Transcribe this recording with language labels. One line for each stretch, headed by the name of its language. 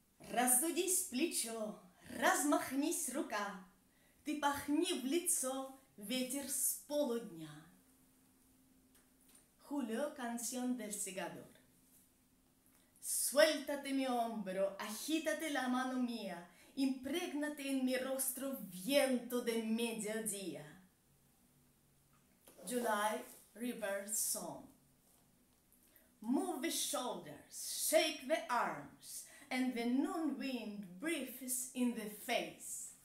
Russian: Раздудись плечо, размахнись рука, ты пахни в лицо ветер с полудня.
Spanish: Julio, canción del segador. Suéltate mi hombro, agítate la mano mía, imprégnate en mi rostro viento de mediodía.
English: July, River Song. Move the shoulders, shake the arms, and the noon wind breathes in the face.